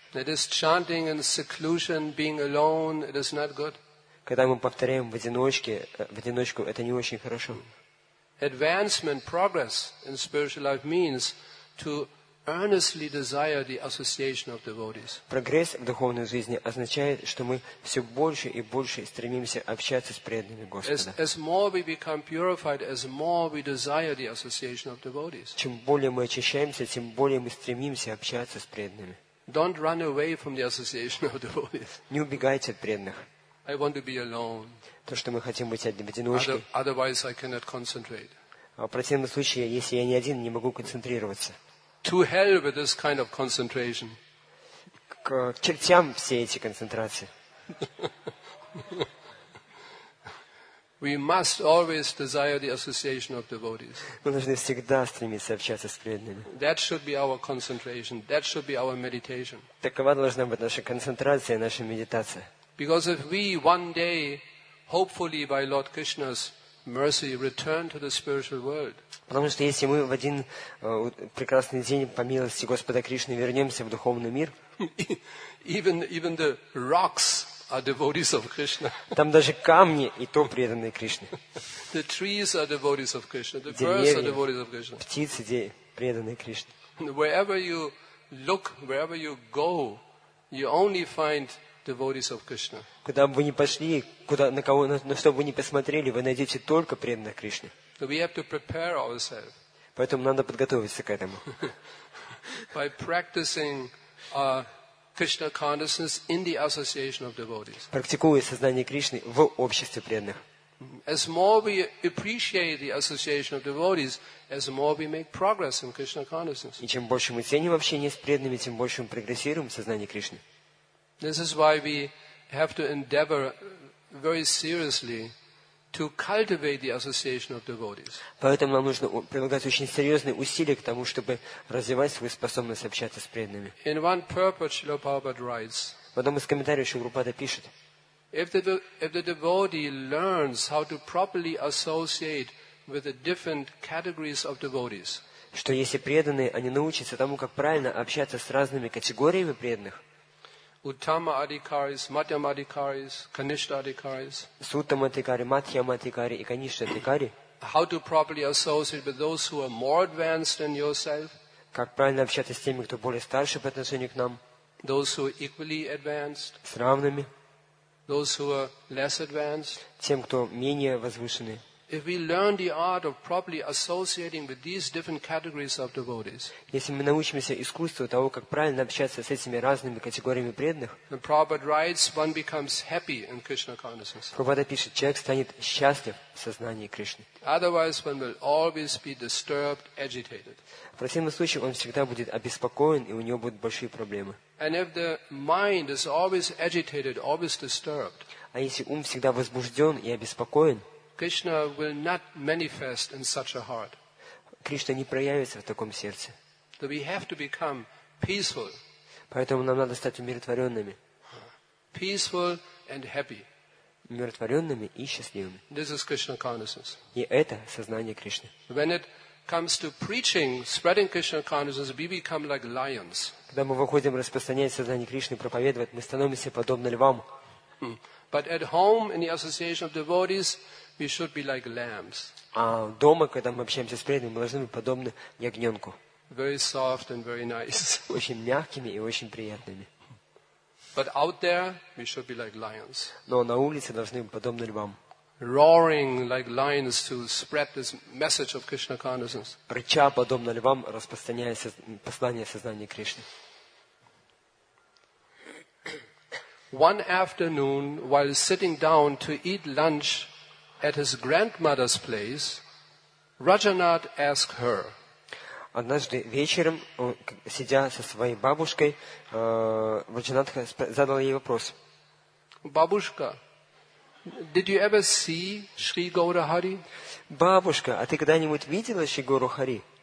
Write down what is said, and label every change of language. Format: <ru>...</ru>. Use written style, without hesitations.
<en>That is chanting in seclusion, being alone, it is not good.</en> <ru>Когда мы повторяем в одиночку, это не очень хорошо.</ru> <en>Advancement, progress in spiritual life means to earnestly desire the association of devotees.</en> <ru>Прогресс в духовной жизни означает, что мы все больше и больше стремимся общаться с преданными Господа.</ru> <en>As more we become purified, as more we desire the association of devotees.</en> <ru>Чем более мы очищаемся, тем более мы стремимся общаться с преданными.</ru> <en>Don't run away from the association of devotees.</en> <ru>Не убегайте от преданных.</ru> <en>I want to be alone.</en> <ru>То, что мы хотим быть одни, в одиночке.</ru> <en>Otherwise I cannot concentrate.</en> <ru>В противном случае, если я не один, не могу концентрироваться.</ru> <en>To hell with this kind of concentration.</en> <ru>К чертям все эти концентрации.</ru> <en>We must always desire the association of devotees.</en> <ru>Мы должны всегда стремиться общаться с преданными.</ru> <en>That should be our concentration. That should be our meditation.</en> <ru>Такова должна быть наша концентрация, наша медитация.</ru> <en>Because if we one day, hopefully by Lord Krishna's mercy, return to the spiritual world.</en> <ru>Потому что если мы в один прекрасный день по милости Господа Кришны вернемся в духовный мир,</ru> <en>even the rocks are devotees of Krishna.</en> <ru>Там даже камни и то преданные Кришне.</ru> <en>The trees are devotees of Krishna. The birds are devotees of Krishna.</en> <ru>Птицы преданные Кришне.</ru> <en>Wherever you look, wherever you go, you only find devotees of Krishna.</en> <ru>Куда бы вы ни пошли, куда, на кого, на что бы вы ни посмотрели, вы найдете только преданных Кришне.</ru> <en>So we have to prepare ourselves.</en> <ru>Поэтому надо подготовиться к этому.</ru> <en>By practicing Krishna consciousness in the association of devotees.</en> <ru>Практикуя сознание Кришны в обществе преданных.</ru> <en>As more we appreciate the association of devotees, as more we make progress in Krishna consciousness.</en> <ru>И чем больше мы ценим общение с преданными, тем больше мы прогрессируем в сознании Кришны.</ru> <en>This is why we have to endeavor very seriously to cultivate the association of devotees.</en> <ru>Поэтому нам нужно прилагать очень серьезные усилия к тому, чтобы развивать свою способность общаться с преданными.</ru> <en>In one purport, Srila Prabhupada writes.</en> <ru>В одном из комментариев Шрила Прабхупада пишет.</ru> <en>If the devotee learns how to properly associate with the different categories of devotees.</en> <ru>Что если преданные, они научатся тому, как правильно общаться с разными категориями преданных.</ru> <en>Uttama adhikaris, Madhyama adhikaris, Kanishtha adhikaris.</en> <ru>Suttama adhikari, Madhyama adhikari и Kanishtha adhikari.</ru> <en>How to properly associate with those who are more advanced than yourself?</en> <ru>Как правильно общаться с теми, кто более старше по отношению к нам?</ru> <en>Those who are equally advanced.</en> <ru>С равными.</ru> <en>Those who are less advanced.</en> <ru>Тем, кто менее возвышенный.</ru> <en>If we learn the art of properly associating with these different categories of devotees,</en> <ru>если мы научимся искусству того, как правильно общаться с этими разными категориями преданных,</ru> <en>the Prabhupada writes, one becomes happy in Krishna consciousness.</en> <ru>Prabhupada пишет, человек станет счастлив в сознании Кришны.</ru> <en>Otherwise, one will always be disturbed, agitated.</en> <ru>В противном случае он всегда будет обеспокоен и у него будут большие проблемы.</ru> <en>And if the mind is always agitated, always disturbed,</en> <ru>а если ум всегда возбужден и обеспокоен,</ru> <en>Krishna will not manifest in such a heart.</en> <ru>Кришна не проявится в таком сердце.</ru> <en>So we have to become peaceful.</en> <ru>Поэтому нам надо стать умиротворенными.</ru> <en>Peaceful and happy.</en> <ru>Умиротворенными и счастливыми.</ru> <en>This is Krishna consciousness.</en> <ru>И это сознание Кришны.</ru> <en>When it comes to preaching, spreading Krishna consciousness, we become like lions.</en> <ru>Когда мы выходим распространять сознание Кришны, проповедовать, мы становимся подобны львам.</ru> <en>But at home in the association of devotees, we should be like lambs.</en> <ru>А дома, когда мы общаемся с преданными, мы должны быть подобны ягненку.</ru> <en>Very soft and very nice.</en> <ru>Очень мягкими и очень приятными.</ru> <en>But out there, we should be like lions.</en> <ru>Но на улице должны быть подобны львам.</ru> <en>Roaring like lions to spread this message of Krishna consciousness.</en> <ru>Рыча подобно львам, распространяя послание сознания Кришны.</ru> <en>One afternoon, while sitting down to eat lunch at his grandmother's place, Rajanath asked her.</en> <ru>Однажды вечером, сидя со своей бабушкой, Rajanath задал ей вопрос.</ru> <en>Бабушка, did you ever see Sri Gaura Hari?</en> <ru>Бабушка, а ты когда-нибудь видела Шри Гору Хари?</ru>